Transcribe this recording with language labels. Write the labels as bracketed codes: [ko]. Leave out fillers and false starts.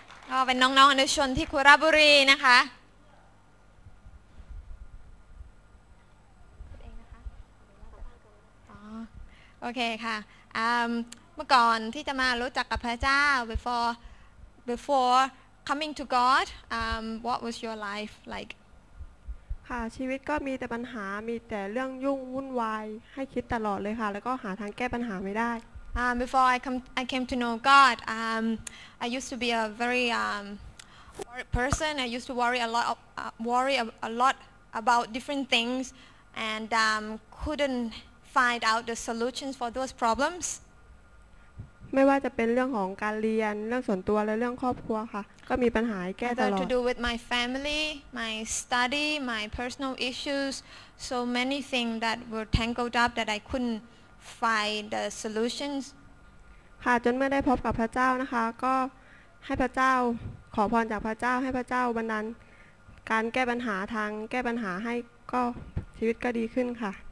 [th] ก็เป็นน้องๆอนุชนที่คุราบุรีนะคะโอเคค่ะเมื่อก่อนที่จะมารู้จักกับพระเจ้า [en] before coming to God what was your life like [th] ค่ะชีวิตก็มีแต่ปัญหามีแต่เรื่องยุ่งวุ่นวายให้คิดตลอดเลยค่ะแล้วก็หาทางแก้ปัญหาไม่ได้ [en] before I came to know God I used to be a very worried person I used to worry a lot about different things and couldn't find out the solutions for those problems [th] ไม่ว่าจะเป็นเรื่องของการเรียนเรื่องส่วนตัวและเรื่องครอบครัวค่ะก็มีปัญหาแก้ตลอด [en] to do with my family my study my personal issues so many things that were tangled up that I couldn't find the solutions [th] ค่ะจนเมื่อได้พบกับพระเจ้านะคะก็ให้พระเจ้าขอพรจากพระเจ้าให้พระเจ้าบันดาลการแก้ปัญหาทางแก้ปัญหาให้ก็ชีวิตก็ดีขึ้นค่ะ